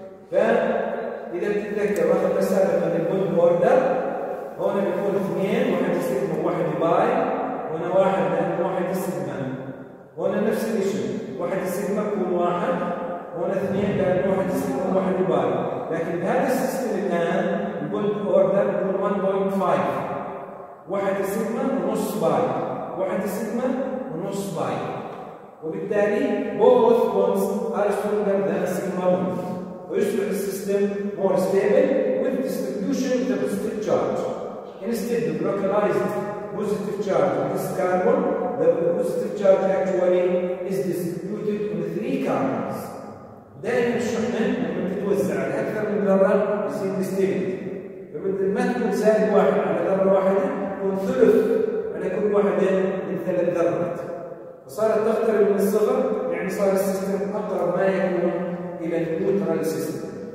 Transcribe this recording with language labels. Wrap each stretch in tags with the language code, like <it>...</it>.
<ar>فإذا بتتذكر واخذ مسافة من البوند بوردر، هون بيكون اثنين واحد سيجما واحد باي، هنا واحد لانه واحد سيجما، هنا نفس الشيء واحد سيجما بيكون واحد، هنا اثنين لانه واحد سيجما واحد باي، لكن بهذا السيستم الان البولد اوردر بيكون 1.5، واحد سيجما ونص باي، واحد سيجما ونص باي، وبالتالي</ar> <en>both bonds are stronger than sigma bonds,</en> <ar>ويصبح السيستم</ar> <en>system more stable with distribution of the positive charge. Instead of localized positive charge on this carbon, the positive charge actually is distributed on three carbons.</en> <ar>دائما الشحنة لما تتوزع على أكثر من ذرة بصير ديستيبل. فمثل ما تكون سالب واحد على ذرة واحدة تكون ثلث على كل واحدة من ثلاث ذرات. فصارت تقترب من الصفر يعني صار السيستم أقرب ما يكون إلى النيوترال سيستم.</ar>